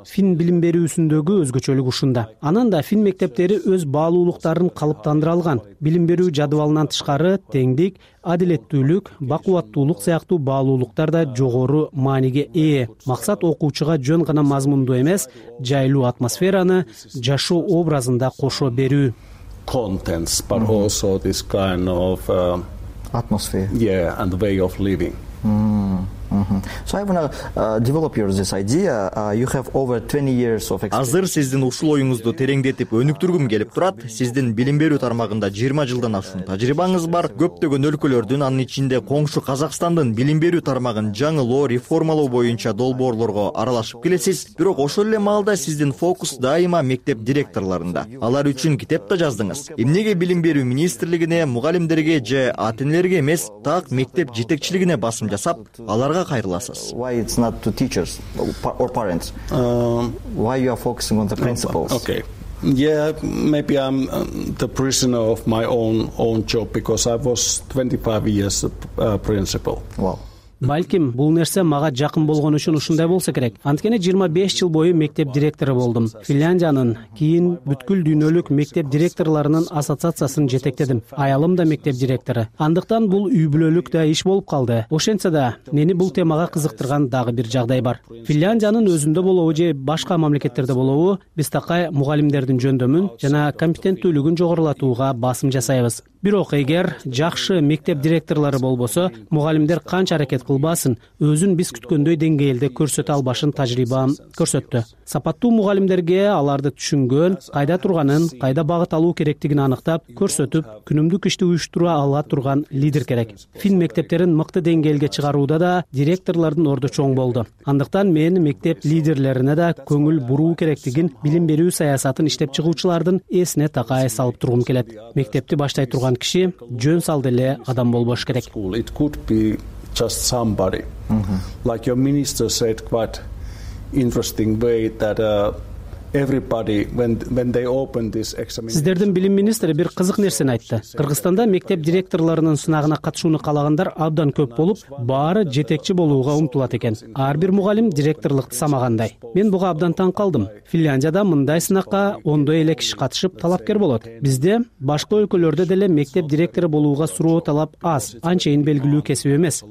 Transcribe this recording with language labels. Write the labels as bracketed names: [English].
[Kyrgyz] Фин билим берүүсүндөгү өзгөчөлүк ушунда. Анан да фин мектептери өз баалуулуктарын калыптандыра алган. Билим берүү жадыбалынан тышкары теңдик, адилеттүүлүк, бакуваттуулук сыяктуу баалуулуктар да жогору мааниге ээ. Максат окуучуга жөн гана мазмунду эмес, жайлуу атмосфераны жашоо образында кошо берүү. [English] Contents, but also this kind of atmosphere. Yeah, and the way of living. So I want to develop your this idea. You have over 20 years of experience. [Kyrgyz] Азыр сиздин ушул оюңузду тереңдетип өнүктүргүм келип турат. Сиздин билим берүү тармагында 20 жылдан ашуун тажрыйбаңыз бар. Көптөгөн өлкөлөрдүн, анын ичинде коңшу Казакстандын билим берүү тармагын жаңылоо, реформалоо боюнча долбоорлорго аралашып келесиз. Бирок ошол эле маалда сиздин фокус дайыма мектеп директорлорунда. Алар үчүн китеп да жаздыңыз. Эмнеге билим берүү министрлигине, мугалимдерге же ата-энелерге эмес, так мектеп жетекчилигине басым жасап, аларга кайрыласыз? [English] Why it's not to teachers or parents? Why you are focusing on the principals? Okay. Yeah, maybe I'm the prisoner of my own job because I was 25 years a principal. Wow. [Kyrgyz] Балким бул нерсе мага жакын болгон үчүн ушундай болсо керек. Анткени 25 жыл бою мектеп директору болдум. Финляндиянын кийин бүткүл дүйнөлүк мектеп директорлорунун ассоциациясын жетектедим. Аялым да мектеп директору. Андыктан бул үй бүлөлүк да иш болуп калды. Ошентсе да мени бул темага кызыктырган дагы бир жагдай бар. Финляндиянын өзүндө болобу же башка мамлекеттерде болобу, биз такай мугалимдердин жөндөмүн жана компетенттүүлүгүн жогорулатууга басым жасайбыз. Бирок эгер жакшы мектеп директорлору болбосо, мугалимдер канча аракет кылбасын, өзүн биз күткөндөй деңгээлде көрсөтө албашын тажрыйбам көрсөттү. Сапаттуу мугалимдерге аларды түшүнгөн, кайда турганын, кайда багыт алуу керектигин аныктап, көрсөтүп, күнүмдүк ишти уюштура ала турган лидер керек. Фин мектептерин мыкты деңгээлге чыгарууда да директорлордун орду чоң болду. Андыктан мен мектеп лидерлерине да көңүл буруу керектигин билим берүү саясатын иштеп чыгуучулардын эсине такай салып тургум келет. Мектепти баштай турган киши жөн салды эле адам болбош керек. [English] It could be just somebody. Like your minister said quite interesting way that everybody when they open this examination. [Kyrgyz] Сиздердин билим министри бир кызык нерсени айтты. Кыргызстанда мектеп директорлорунун сынагына катышууну каалагандар абдан көп болуп, баары жетекчи болууга умтулат экен. Ар бир мугалим директорлукту самагандай. Мен буга абдан таң калдым. Финляндияда мындай сынакка ондой эле киши катышып талапкер болот. Бизде башка өлкөлөрдө деле мектеп директору болууга суроо талап аз, анчейин белгилүү кесип эмес.